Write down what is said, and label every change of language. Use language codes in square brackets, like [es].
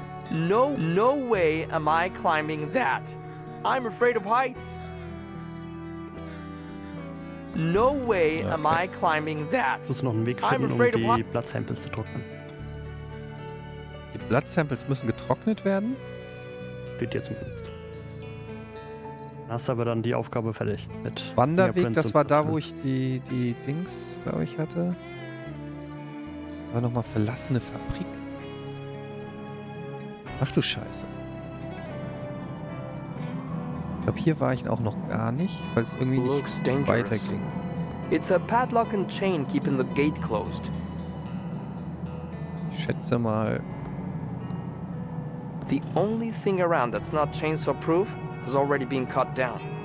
[en] No way am I climbing that. I'm afraid of heights. No way am I climbing that. [de] Muss noch einen Weg finden, um die Blood Samples zu trocknen. Die Blood Samples müssen getrocknet werden? Steht jetzt im Dienst. Hast aber dann die Aufgabe fertig mit Wanderweg, das war da, wo ich die Dings, glaube ich, hatte. Das war nochmal verlassene Fabrik. Ach du Scheiße. Ich glaube, hier war ich auch noch gar nicht, weil es irgendwie nicht weiterging. [en] It's a padlock and chain keeping the gate closed. [de] Ich schätze mal. [en] The only thing around that's not chainsaw proof has already been cut down.